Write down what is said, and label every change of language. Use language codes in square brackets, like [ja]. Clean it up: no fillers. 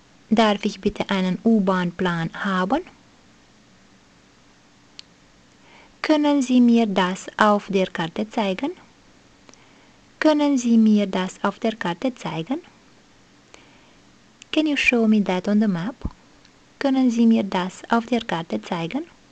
[de] Darf ich bitte einen U-Bahn-Plan haben? Können Sie mir das auf der Karte zeigen? Können Sie mir das auf der Karte zeigen? [en] Can you show me that on the map? [de] Können Sie mir das auf der Karte zeigen?